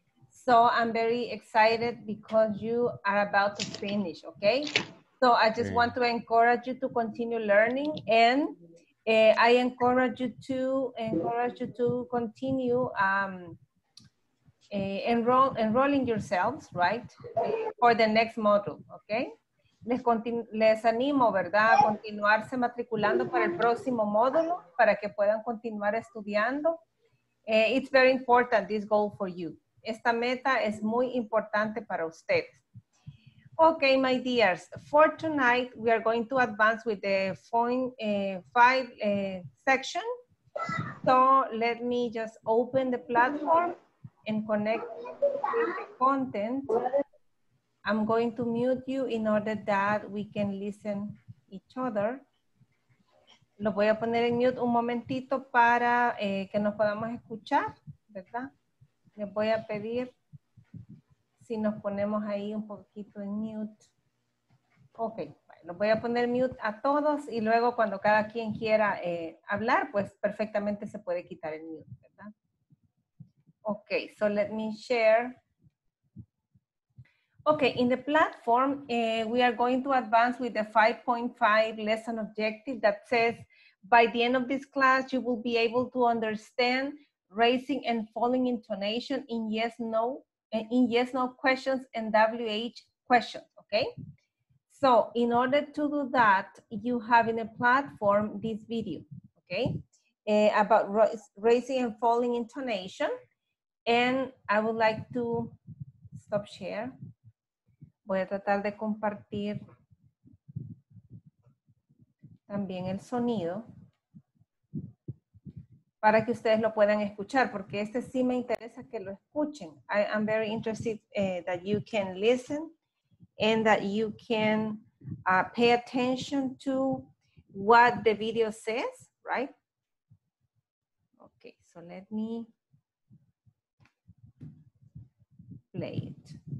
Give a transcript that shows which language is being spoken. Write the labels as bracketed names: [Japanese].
[English] So I'm very excited because you are about to finish, okay? So I just want to encourage you to continue learning, and I encourage you to continue enrolling yourselves, right, for the next module, okay? [Spanish] Les animo, ¿verdad?, a continuarse matriculando para el próximo módulo para que puedan continuar estudiando. [English] It's very important, this goal for you. [Spanish] Esta meta es muy importante para usted. [English] Okay, my dears, for tonight, we are going to advance with the five section. So let me just open the platform and connect with the content. I'm going to mute you in order that we can listen each other. [Spanish] Lo voy a poner en mute un momentito para que nos podamos escuchar, ¿verdad? Les voy a pedir si nos ponemos ahí un poquito en mute. Ok, lo voy a poner mute a todos y luego cuando cada quien quiera hablar, pues perfectamente se puede quitar el mute, ¿verdad? [English] Ok, so let me share. Ok, in the platform, we are going to advance with the 5.5 lesson objective that says, by the end of this class, you will be able to understand raising and falling intonation in yes, no, in yes, no questions and WH questions, okay? So in order to do that, you have in a platform this video, okay? About raising and falling intonation. And I would like to stop share. [Spanish] Voy a tratar de compartir también el sonido para que ustedes lo puedan escuchar, porque este sí me interesa que lo escuchen. [English] I'm very interested that you can listen and that you can pay attention to what the video says, right? Okay, so let me play it.